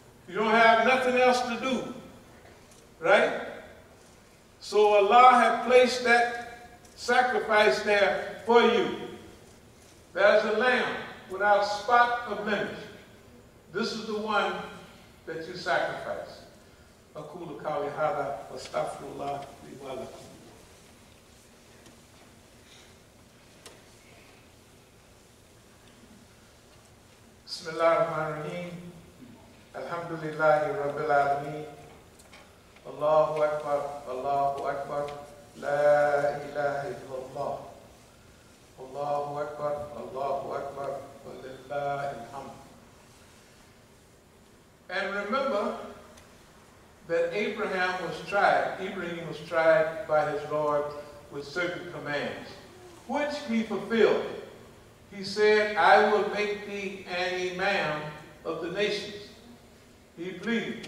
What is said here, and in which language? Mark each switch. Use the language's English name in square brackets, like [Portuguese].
[English] You don't have nothing else to do, right? So Allah had placed that sacrifice there for you. There's a lamb without spot or blemish. This is the one that you sacrifice. [Arabic] أقول قولي هذا واستغفر الله لي ولكم. بسم الله الرحمن الرحيم. الحمد لله رب العالمين. الله أكبر الله أكبر لا إله إلا الله. الله أكبر الله أكبر ولله الحمد. [English] And remember that Ibrahim was tried by his Lord with certain commands, which he fulfilled. He said, I will make thee an imam of the nations. He pleaded.